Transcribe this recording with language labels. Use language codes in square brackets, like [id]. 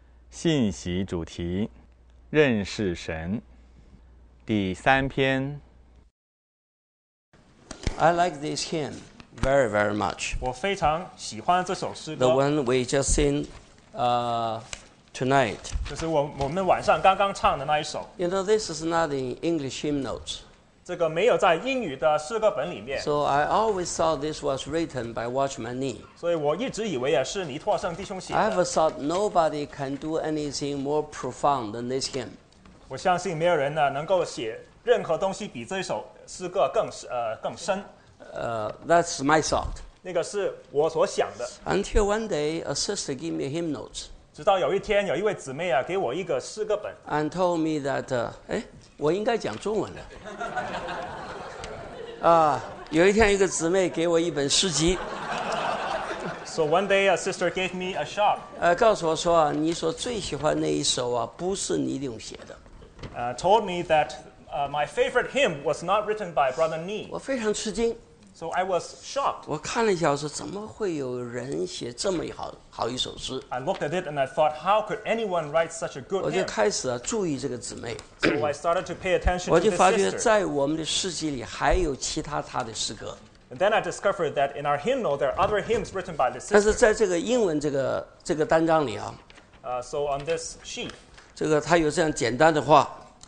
[zh] 信息主题：认识神。第三篇。 [en] I like this hymn very, very much. [zh] 我非常喜欢这首诗歌。 [en] The one we just sing, tonight. [zh] 就是我们晚上刚刚唱的那一首。 [en] You know, this is not in English hymn notes. [zh] 这个没有在英语的诗歌本里面。 [en] So I always thought this was written by Watchman Nee. [zh] 所以我一直以为也是尼托圣弟兄写的。 [en] I ever thought nobody can do anything more profound than this hymn. [zh] 我相信没有人呢能够写任何东西比这首诗歌更深。 [en] That's my thought. [zh] 那个是我所想的。 [en] Until one day, a sister gave me hymn notes. [zh] 直到有一天，有一位姊妹啊给我一个诗歌本。 [en] And told me that, [zh] 我应该讲中文了。有一天一个姊妹给我一本诗集。 [en] So one day a sister gave me a shock. [zh] 告诉我说，你所最喜欢那一首啊，不是尼弟兄写的。 [en] Told me that, my favorite hymn was not written by Brother Nee. [zh] 我非常吃惊。 [en] So I was shocked. [zh] 我看了一下，我说怎么会有人写这么好一首诗 [en] ？I looked at it and I thought, how could anyone write such a good hymn? [zh] 我就开始啊注意这个姊妹。 [en] So I started to pay attention to this sister. [zh] 我就发觉在我们的诗集里还有其他她的诗歌。 [en] And then I discovered that in our hymnal there are other hymns written by this sister. [zh] 但是在这个英文这个单章里啊 [en] ，So on this sheet, [zh] 这个她有这样简单的话。